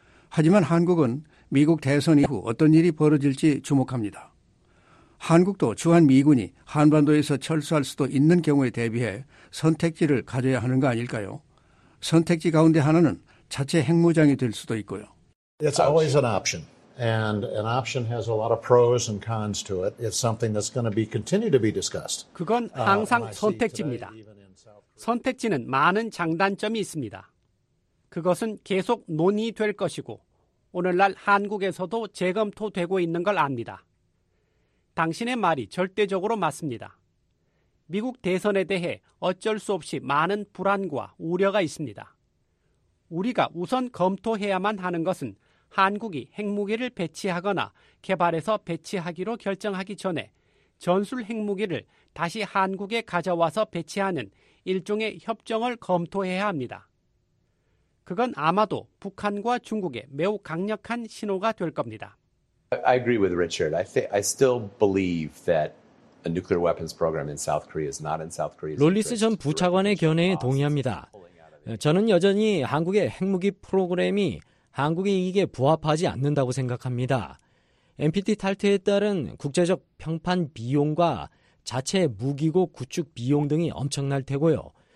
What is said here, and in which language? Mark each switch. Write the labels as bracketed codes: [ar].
[ko] 하지만 한국은 미국 대선 이후 어떤 일이 벌어질지 주목합니다. 한국도 주한미군이 한반도에서 철수할 수도 있는 경우에 대비해 선택지를 가져야 하는 거 아닐까요? 선택지 가운데 하나는 자체 핵무장이 될 수도 있고요. [en] It's always an option. And an option has a lot of pros and cons to it. It's something that's going to be continue to be discussed. [ko] 그건 항상 선택지입니다. 선택지는 많은 장단점이 있습니다. 그것은 계속 논의될 것이고 오늘날 한국에서도 재검토되고 있는 걸 압니다. 당신의 말이 절대적으로 맞습니다. 미국 대선에 대해 어쩔 수 없이 많은 불안과 우려가 있습니다. 우리가 우선 검토해야만 하는 것은 한국이 핵무기를 배치하거나 개발해서 배치하기로 결정하기 전에 전술 핵무기를 다시 한국에 가져와서 배치하는 일종의 협정을 검토해야 합니다. 그건 아마도 북한과 중국에 매우 강력한 신호가 될 겁니다. [en] I agree with Richard. I still believe that a nuclear weapons program in South Korea is not in South Korea's interest. [ko] 롤리스 전 부차관의 견해에 동의합니다. 저는 여전히 한국의 핵무기 프로그램이 한국의 이익에 부합하지 않는다고 생각합니다. NPT 탈퇴에 따른 국제적 평판 비용과 자체 무기고 구축 비용 등이 엄청날 테고요.